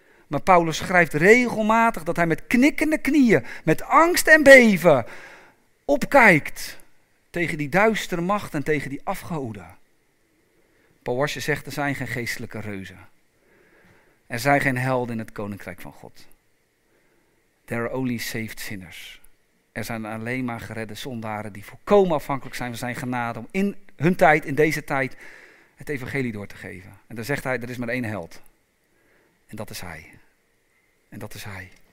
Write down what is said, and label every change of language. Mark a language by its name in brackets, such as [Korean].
[Dutch] Maar Paulus schrijft regelmatig dat hij met knikkende knieën, met angst en beven, opkijkt tegen die duistere macht en tegen die afgoden. Paul Washer zegt, er zijn geen geestelijke reuzen. Er zijn geen helden in het koninkrijk van God. [English] There are only saved sinners. [Dutch] Er zijn alleen maar geredde zondaren die volkomen afhankelijk zijn van zijn genade om in hun tijd, in deze tijd, het evangelie door te geven. En dan zegt hij, er is maar één held. En dat is hij. En dat is hij.